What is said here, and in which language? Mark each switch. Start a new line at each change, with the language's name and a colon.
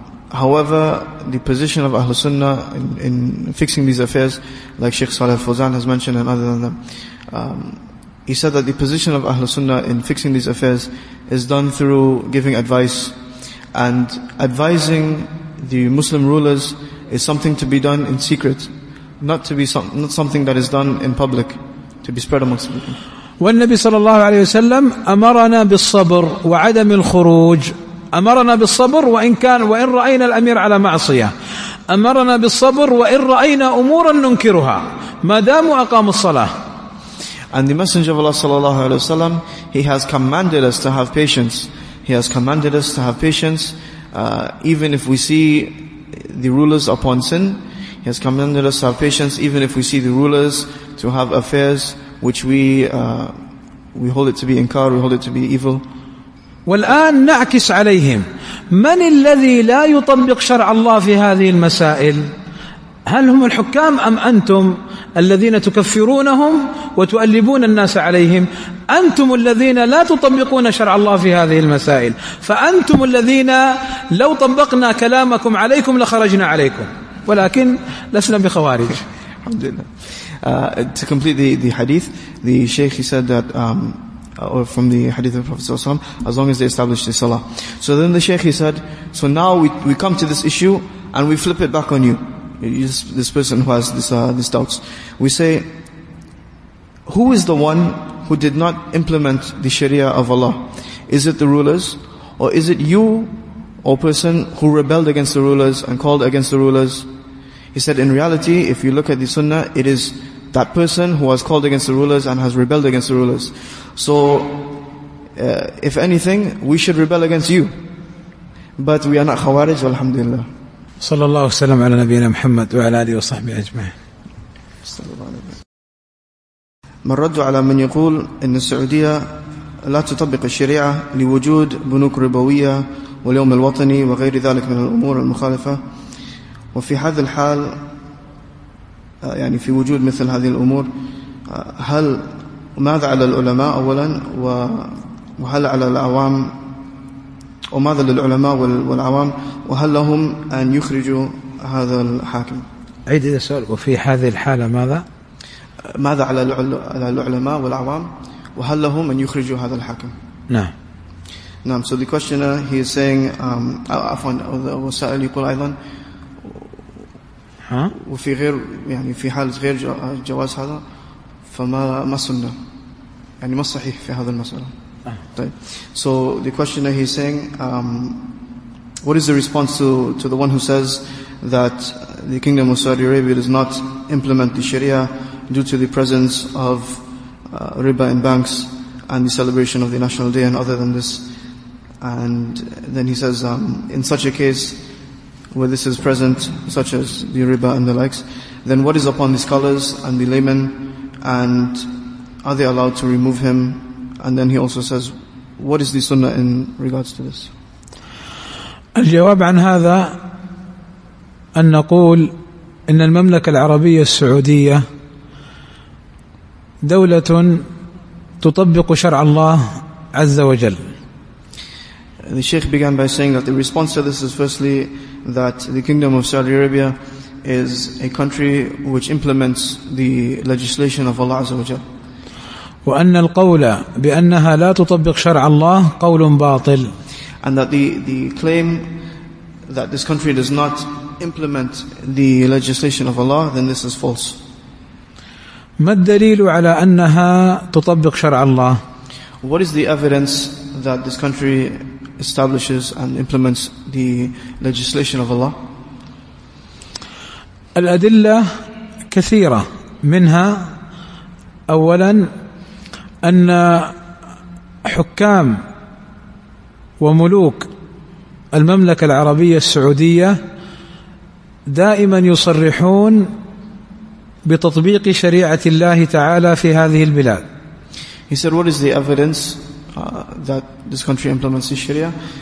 English: However, the position of Ahlus Sunnah in fixing these affairs, like Sheikh Saleh Fawzan has mentioned and other than them, he said that the position of Ahlus Sunnah in fixing these affairs is done through giving advice, and advising the Muslim rulers is something to be done in secret, not something that is done in public, to be spread amongst people.
Arabic: والنبي صلى الله عليه وسلم أمرنا بالصبر وعدم الخروج، أمرنا بالصبر وإن رأينا الأمير على معصية، أمرنا بالصبر وإن رأينا أمورا ننكرها ما دام أقام الصلاة.
English: And the Messenger of Allah
Arabic: صلى الله عليه وسلم,
English: he has commanded us to have patience. He has commanded us to have patience, even if we see the rulers upon sin. He has commanded us to have patience, even if we see the rulers to have affairs which we hold it to be inkar, we hold it to be evil.
Arabic: والآن نعكس عليهم، من الذي لا يطبق شرع الله في هذه المسائل؟ هل هم الحكام أم أنتم الذين تكفرونهم وتؤلبون الناس عليهم؟ أنتم الذين لا تطبقون شرع الله في هذه المسائل، فأنتم الذين لو طبقنا كلامكم عليكم لخرجنا عليكم، ولكن لسنا بخوارج. الحمد لله.
English: To complete the hadith, the sheikh, he said that or from the hadith of the Prophet ﷺ, as long as they establish the salah. So then the sheikh, he said, so now we come to this issue and we flip it back on you, this person who has these doubts. We say, who is the one who did not implement the sharia of Allah? Is it the rulers, or is it you, O person, who rebelled against the rulers and called against the rulers? He said, in reality, if you look at the sunnah, it is that person who has called against the rulers and has rebelled against the rulers. So If anything, we should rebel against you. But we are not Khawarij, alhamdulillah.
Arabic: صلى الله وسلم على نبينا محمد وعلى آله وصحبه أجمعين. من رد على من يقول إن السعودية لا تطبق الشريعة لوجود بنوك ربوية واليوم الوطني وغير ذلك من الأمور المخالفة، وفي هذا الحال يعني في وجود مثل هذه الأمور، هل ماذا على العلماء أولا، وهل على العوام، وماذا للعلماء والعوام، وهل لهم أن يخرجوا هذا الحاكم؟ عيد السؤال، وفي هذه الحالة ماذا؟ ماذا على العلماء والعوام، وهل لهم أن يخرجوا هذا الحاكم؟ نعم. نعم.
English: So the questioner, he is saying,
Arabic: وسائل يقول أيضا، ها؟ وفي غير يعني في حال غير جواز هذا، فما سنة؟ يعني ما صحيح في هذا المسألة؟
English: So the questioner, he's saying, what is the response to the one who says that the Kingdom of Saudi Arabia does not implement the Sharia due to the presence of riba in banks and the celebration of the National Day and other than this? And then he says, in such a case where this is present, such as the riba and the likes, then what is upon the scholars and the laymen, and are they allowed to remove him? And then he also says, what is the sunnah in regards to this?
Arabic: الجواب عن هذا أن نقول إن المملكة العربية السعودية دولة تطبق شرع الله عز وجل.
English: The Sheikh began by saying that the response to this is firstly that the Kingdom of Saudi Arabia is a country which implements the legislation of Allah
Arabic: عز وجل. وأن القول بأنها لا تطبق شرع الله قول باطل.
English: And that the claim that this country does not implement the legislation of Allah, then this is false.
Arabic: ما الدليل على أنها تطبق شرع الله؟
English: What is the evidence that this country establishes and implements the legislation of Allah?
Arabic: الأدلة كثيرة، منها أولاً أن حكام وملوك المملكة العربية السعودية دائما يصرحون بتطبيق شريعة الله تعالى في هذه البلاد.
English: He said, what is the evidence that this country implements the Sharia?